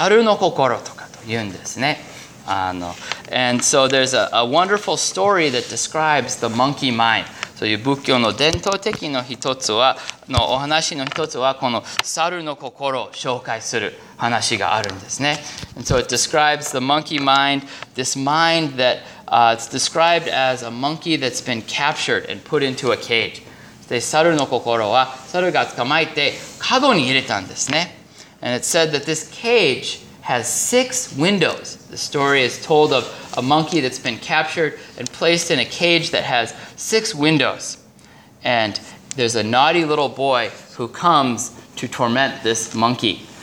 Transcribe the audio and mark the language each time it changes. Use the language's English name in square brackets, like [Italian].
[Japanese] まあ、仏教というのは猿がいるところに生まれてきたんですね。インドとか中国語、中国、日本。で、猿はよく猿の心とかと言うんですね。 [English] And so there's a wonderful story that describes the monkey mind. So you [Japanese] 仏教の伝統的の一つは、のお話の一つはこの猿の心を紹介する話があるんですね。 [English] And so it describes the monkey mind, this mind that it's described as a monkey that's been captured and put into a cage. [Japanese] で、猿の心は猿が捕まえて角に入れたんですね。 [English] And it said that this cage has six windows. The story is told of a monkey that's been captured and placed in a cage that has six windows. And there's a naughty little boy who comes to torment this monkey.